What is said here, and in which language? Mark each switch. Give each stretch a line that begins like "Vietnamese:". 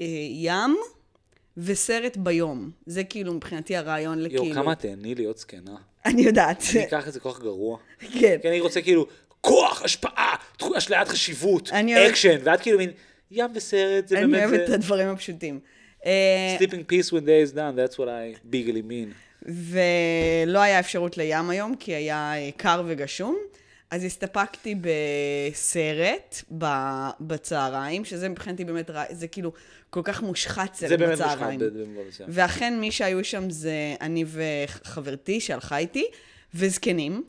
Hebrew: ים וסרט ביום. זה כאילו מבחינתי הרעיון לכאילו... יו, כמה תהני להיות סקנה. אני יודעת. אני אקח את זה כוח גרוע. כן. כי אני רוצה כאילו כוח, השפעה, אשליית חשיבות, אקשן, ואת כאילו מין ים וסרט, זה באמת... אני אוהבת את הדברים הפשוטים.
English: Sleeping peace when day is done, that's what I bigly mean.
Hebrew: ולא היה אפשרות לים היום, כי היה קר וגשום. אז הסתפקתי בסרט בצהריים, שזה מבחינתי באמת, זה כאילו כל כך מושחת סרט בצהריים. זה באמת מושחת, בצהריים. ואכן מי שהיו שם זה אני וחברתי שהלכה איתי, וזקנים.